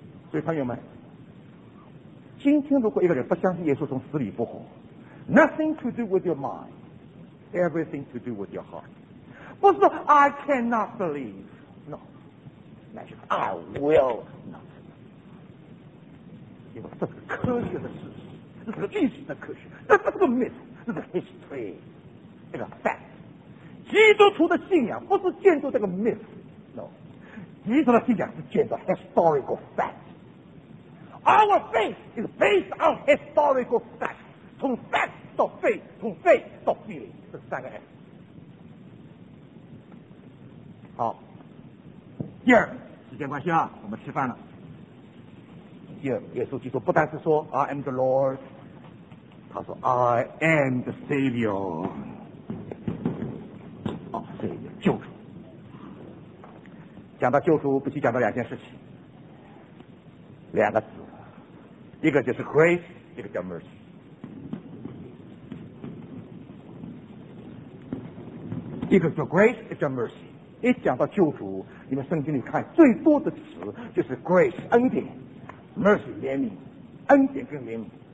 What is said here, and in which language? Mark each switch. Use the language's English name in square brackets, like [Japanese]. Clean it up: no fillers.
[Chinese] 所以朋友们，今天如果一个人不相信耶稣从死里复活， Nothing to do with your mind, everything to do with your heart, 不是 I cannot believe, No, 那就是 I will not, 这是科学的事实，这是历史的科学，这是个 myth, 这是 history, 这个 fact。基督徒的信仰不是建筑这个 myth, no, 基督徒的信仰是建筑 historical fact。 [English] Our faith is based on historical fact, 从 fact 到 faith, 从 faith 到 feeling, 这三个 F。 [Chinese] 好，第二，时间关系啊，我们吃饭了。耶稣基督不但是说 I am the Lord, 他说 I am the Savior, 哦 Savior, 救主。讲到救主，必须讲到两件事情，两个字，一个就是 Grace, 一个叫 Mercy。一个叫 Grace, 一个叫 Mercy。一讲到救主，你们圣经里看最多的词就是 Grace, 恩典，Mercy, 怜悯，恩典跟怜悯。